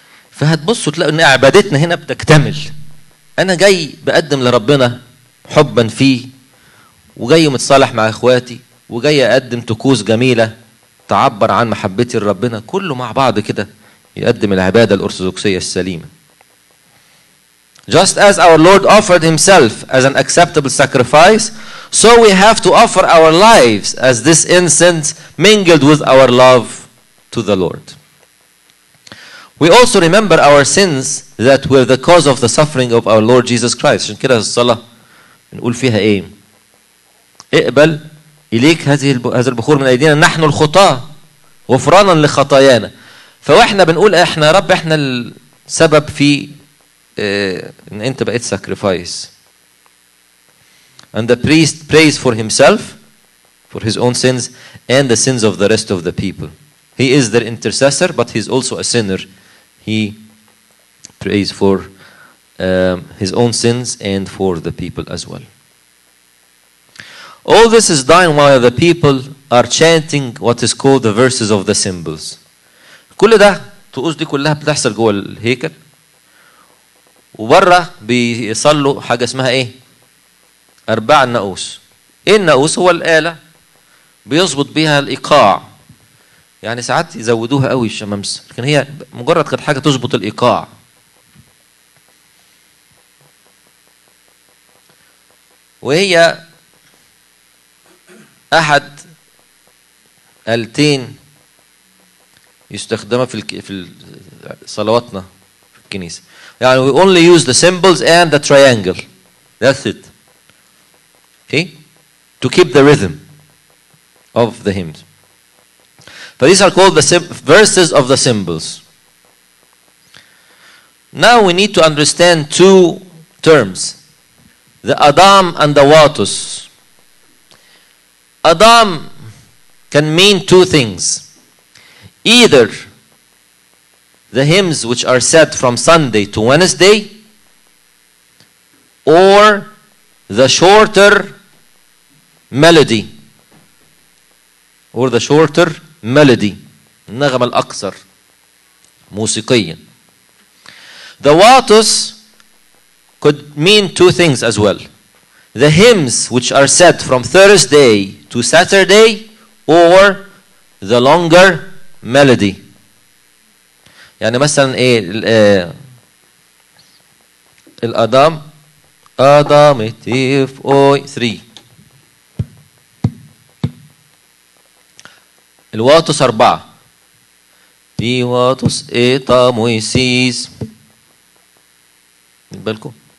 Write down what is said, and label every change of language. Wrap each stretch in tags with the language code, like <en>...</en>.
<ar>فهتبص وتلاقي ان عبادتنا هنا بتكتمل. انا جاي بقدم لربنا حبا فيه وجاي متصالح مع اخواتي وجاي اقدم طقوس جميله تعبر عن محبتي لربنا، كله مع بعض كده يقدم العباده الارثوذكسيه السليمه.</ar> <en>Just as our Lord offered himself as an acceptable sacrifice, so we have to offer our lives as this incense mingled with our love to the Lord. We also remember our sins that were the cause of the suffering of our Lord Jesus Christ.</en> <ar>عشان كده الصلاة نقول فيها ايه؟ اقبل اليك هذا البخور من ايدينا نحن الخطاة غفرانا لخطايانا. فاحنا بنقول احنا رب احنا السبب في ان انت بقيت sacrifice.</ar> <en>And the priest prays for himself, for his own sins and the sins of the rest of the people. He is their intercessor, but he's also a sinner. He prays for his own sins and for the people as well. All this is done while the people are chanting what is called the verses of the symbols.</en> <ar>كل ده طقوس دي كلها بتحصل جوه الهيكل، وبره بيصلوا حاجه اسمها ايه؟ اربع ناقوس. ايه الناقوس؟ هو الاله بيظبط بيها الايقاع. يعني ساعات يزودوها قوي الشمامسه، لكن هي مجرد كانت حاجه تظبط الايقاع. وهي احد التين يستخدمها في صلواتنا في الكنيسه.</ar> <en>يعني we only use the symbols and the triangle. That's it. Okay? To keep the rhythm of the hymns. But these are called the verses of the symbols. Now we need to understand two terms. The Adam and the Watus. Adam can mean two things. Either the hymns which are said from Sunday to Wednesday, or the shorter melody. Or the shorter melody.</en> <ar>النغمة الأقصر موسيقيا.</ar> <en>The Watus could mean two things as well. The hymns which are said from Thursday to Saturday, or the longer melody.</en> <ar>يعني مثلا ايه الادام ادام تيف او 3 الواتس 4 دي واتس اي تا مويسيس بالكم</ar>